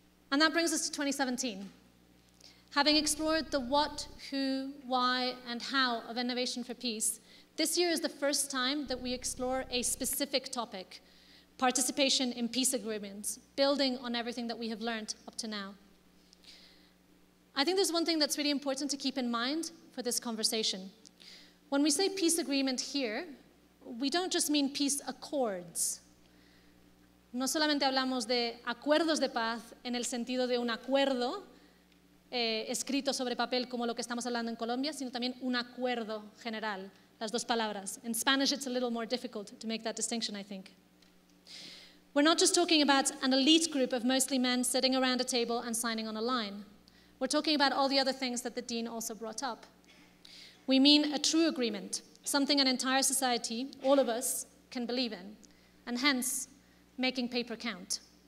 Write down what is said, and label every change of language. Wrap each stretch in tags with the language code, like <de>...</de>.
<en>And that brings us to 2017. Having explored the what, who, why, and how of innovation for peace, this year is the first time that we explore a specific topic: participation in peace agreements, building on everything that we have learned up to now. I think there's one thing that's really important to keep in mind for this conversation. When we say peace agreement here, we don't just mean peace accords.</en> <es>No solamente hablamos de acuerdos de paz en el sentido de un acuerdo, escrito sobre papel como lo que estamos hablando en Colombia, sino también un acuerdo general, las dos palabras.</es> <en>In Spanish, it's a little more difficult to make that distinction, I think. We're not just talking about an elite group of mostly men sitting around a table and signing on a line. We're talking about all the other things that the dean also brought up. We mean a true agreement, something an entire society, all of us, can believe in, and hence, making paper count.</en>